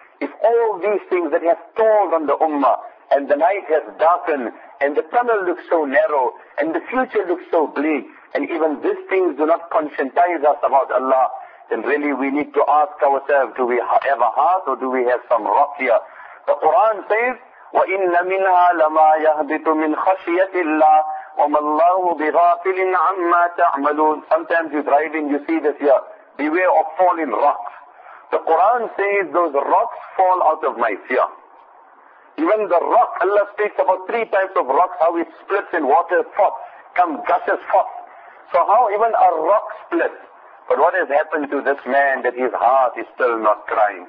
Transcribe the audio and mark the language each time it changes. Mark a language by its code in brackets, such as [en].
[en] If all these things that have told on the ummah, and the night has darkened, and the tunnel looks so narrow, and the future looks so bleak, and even these things do not conscientize us about Allah, then really we need to ask ourselves, do we have a heart or do we have some rock here? The Quran says, [ar] وَإِنَّ مِنْهَا لَمَا يَهْبِطُ مِنْ خَشْيَةِ اللَّهِ وَمَا اللَّهُ بِغَافِلٍ عَمَّا تَعْمَلُونَ. [en] Sometimes you're driving, you see this here, beware of falling rocks. The Quran says, those rocks fall out of my fear. Even the rock, Allah speaks about three types of rocks, how it splits in water, forth, come gushes forth. So how even a rock splits? But what has happened to this man that his heart is still not crying?